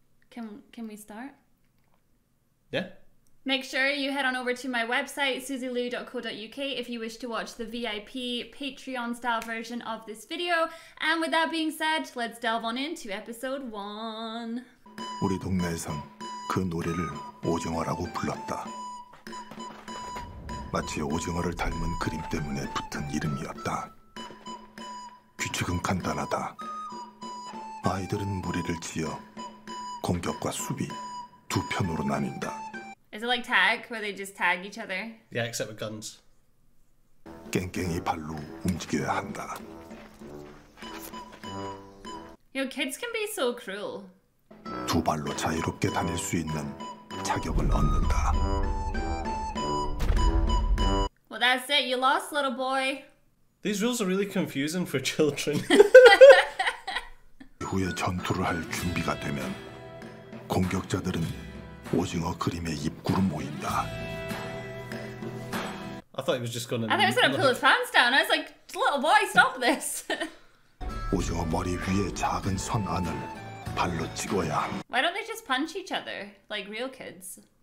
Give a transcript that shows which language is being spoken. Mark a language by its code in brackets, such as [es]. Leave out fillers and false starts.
[en] Can we start? Yeah. Make sure you head on over to my website, suzylu.co.uk, if you wish to watch the VIP Patreon-style version of this video. And with that being said, let's delve on into episode one. [ko] 우리 동네에선 그 노래를 오징어라고 불렀다. 마치 오징어를 닮은 그림 때문에 붙은 이름이었다. 규칙은 간단하다. 아이들은 무리를 지어 공격과 수비 두 편으로 나뉜다. [en] Is it like tag, where they just tag each other? Yeah, except with guns. [ko] 깽깽이 발로 움직여야 한다. [en] Yo, kids can be so cruel. [ko] 두 발로 자유롭게 다닐 수 있는 자격을 얻는다. [en] Well, that's it. You lost, little boy. These rules are really confusing for children. [ko] 이후에 전투를 할 준비가 되면 공격자들은 오징어 그림에 입구를 모인다. [en] I thought he was just gonna. I thought he was gonna pull his pants down. I was like, little boy, stop this. [ko] 오징어 머리 위에 작은 선 안을 발로 찍어야. [en] Why don't they just punch each other like real kids?